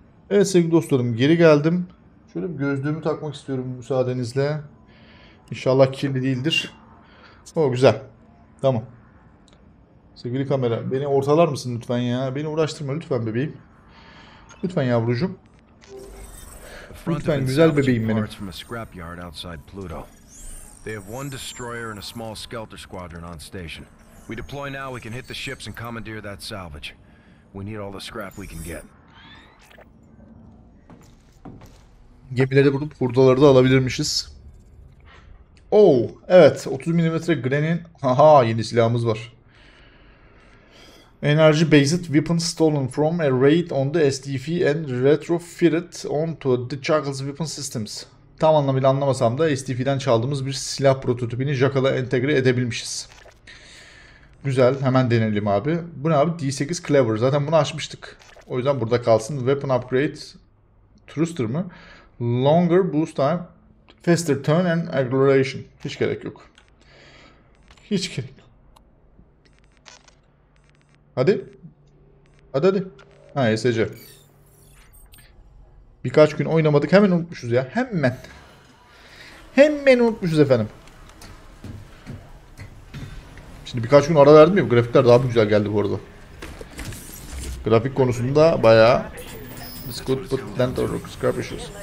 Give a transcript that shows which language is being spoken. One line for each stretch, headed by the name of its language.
Turkish: Evet sevgili dostlarım geri geldim. Şöyle bir gözlüğümü takmak istiyorum müsaadenizle. İnşallah kirli değildir. O güzel. Tamam. Sevgili kamera, beni ortalar mısın lütfen ya? Beni uğraştırma lütfen bebeğim. Lütfen yavrucuğum.
English: Front of
Turkish: Lütfen güzel insalvaging bebeğim benim.
English: parts from a scrapyard outside Pluto. They have one destroyer and a small skelter squadron on station. We deploy now, we can hit the ships and commandeer that salvage. We need all the scrap we can get.
Turkish: Gemileri bulup hurdaları da alabilirmişiz. Oh, evet. 30 mm Gren'in... Aha, yeni silahımız var.
English: Energy based weapon stolen from a raid on the SDF and retrofitted onto the Jackal's weapon systems.
Turkish: Tam anlamıyla anlamasam da SDF'den çaldığımız bir silah prototipini Jackal'a entegre edebilmişiz. Güzel, hemen denelim abi. Bu ne abi? D8 Cleaver. Zaten bunu açmıştık. O yüzden burada kalsın.
English: Weapon upgrade thruster mı? Longer boost time, faster turn and acceleration.
Turkish: Hiç gerek yok. Hiç gerek. Hadi. Hadi hadi. Ha ESC. Birkaç gün oynamadık. Hemen unutmuşuz ya. Hemen. Hemen unutmuşuz efendim. Şimdi birkaç gün ara verdim ya. Grafikler daha güzel geldi bu arada. Grafik konusunda bayağı.
English: Discord put land or scrap issues.